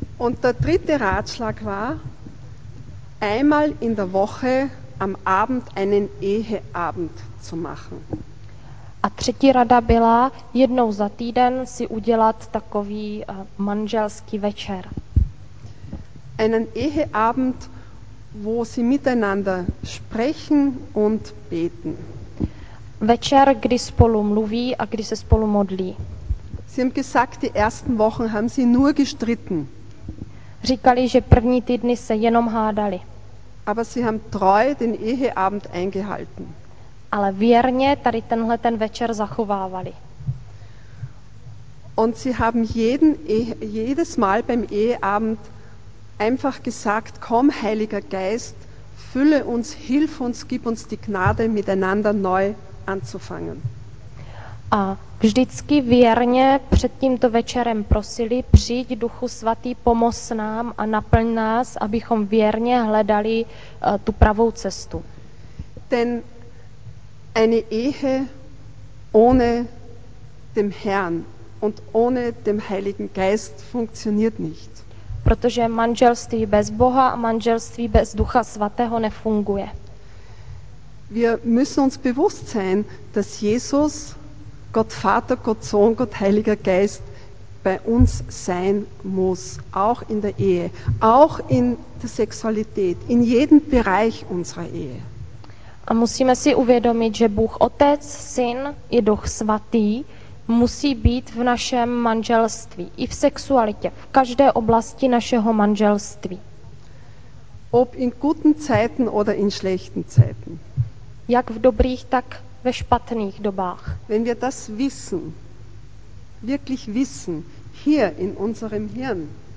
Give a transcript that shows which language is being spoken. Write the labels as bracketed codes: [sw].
[de] Und der dritte Ratschlag war, einmal in der Woche am Abend einen Eheabend zu machen. [cs] A třetí rada byla, jednou za týden si udělat takový manželský večer. [de] Einen Eheabend, wo sie miteinander sprechen und beten. [cs] Večer, kdy spolu mluví a kdy se spolu modlí. [de] Sie haben gesagt, die ersten Wochen haben sie nur gestritten. [cs] Říkali, že první týdny se jenom hádali. [de] Aber sie haben treu den Eheabend eingehalten. [cs] Ale věrně tady tenhle ten večer zachovávali. [de] Und sie haben jedes Mal beim Eheabend einfach gesagt, komm Heiliger Geist, fülle uns, hilf uns, gib uns die Gnade, miteinander neu anzufangen. [cs] A vždycky věrně před tímto večerem prosili, přijď Duchu Svatý, pomoz nám a naplň nás, abychom věrně hledali tu pravou cestu. [de] Denn eine Ehe ohne dem Herrn und ohne dem Heiligen Geist funktioniert nicht. [cs] Protože manželství bez Boha a manželství bez Ducha Svatého nefunguje. [de] Wir müssen uns bewusst sein, dass Jesus, Gott Vater, Gott Sohn, Gott Heiliger Geist bei uns sein muss, auch in der Ehe, auch in der Sexualität, in jedem Bereich unserer Ehe. [cs] A musíme si uvědomit, že Bůh Otec, Syn i Duch Svatý musí být v našem manželství, i v sexualitě, v každé oblasti našeho manželství. [de] Ob in guten Zeiten oder in schlechten Zeiten. [cs] Jak v dobrých, tak ve špatných dobách. [de] Wenn wir das wissen, wirklich wissen, hier in unserem Hirn.